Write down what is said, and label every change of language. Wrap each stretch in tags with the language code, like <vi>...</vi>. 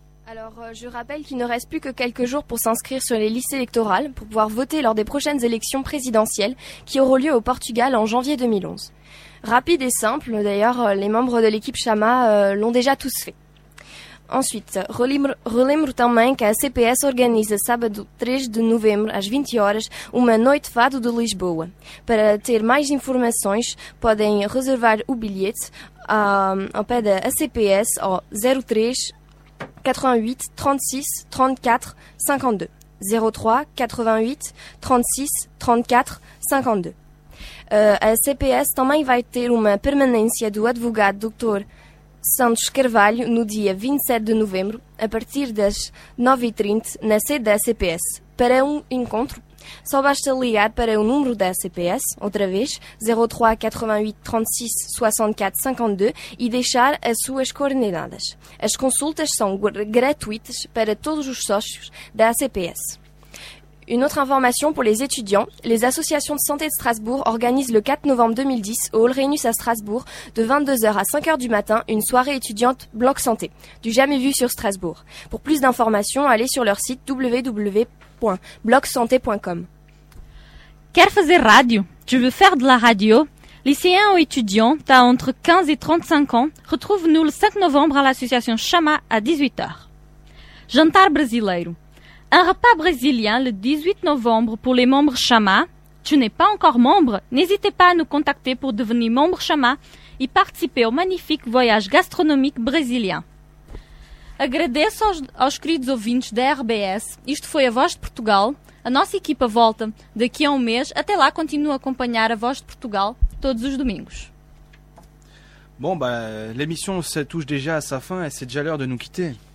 <fr>Alors, je rappelle qu'il ne reste plus que quelques jours pour s'inscrire sur les listes électorales pour pouvoir voter lors des prochaines élections présidentielles qui auront lieu au Portugal en janvier 2011. Rapide et simple, d'ailleurs, les membres de l'équipe Chama l'ont déjà tous fait. Ensuite,</fr> <pt>relembro também que a CPS organiza sábado 3 de novembro, às 20 horas, uma Noite Fado de Lisboa. Para ter mais informações, podem reservar o bilhete ao pé da CPS ao 03 88 36 34 52. A CPS também vai ter uma permanência do advogado Dr. Santos Carvalho no dia 27 de novembro, a partir das 9h30, na sede da CPS. Para um encontro, só basta ligar para o número da CPS, outra vez, 03 88 36 64 52, e deixar as suas coordenadas. As consultas são gratuitas para todos os sócios da CPS.</pt> <fr>Une autre information pour les étudiants, les associations de santé de Strasbourg organisent le 4 novembre 2010 au Hall Rhenus à Strasbourg, de 22h à 5h du matin, une soirée étudiante Bloc Santé, du jamais vu sur Strasbourg. Pour plus d'informations, allez sur leur site www.blocsante.com.</fr> <pt>Quer fazer rádio?</pt> <fr>Tu veux faire de la radio? Lycéens ou étudiants, t'as entre 15 et 35 ans, retrouve-nous le 5 novembre à l'association Chama à 18h.</fr> <pt>Jantar brasileiro.</pt> <fr>Un repas brésilien le 18 novembre pour les membres Chama. Tu n'es pas encore membre? N'hésitez pas à nous contacter pour devenir membre Chama et participer au magnifique voyage gastronomique brésilien.</fr> <pt>Agradeço aos queridos ouvintes da RBS. Isto foi a Voz de Portugal. A nossa equipa volta daqui a um mês. Até lá, continuo a acompanhar a Voz de Portugal todos os domingos. Bom,</pt> <fr>bah, l'émission se touche déjà à sa fin et c'est déjà l'heure de nous quitter.</fr>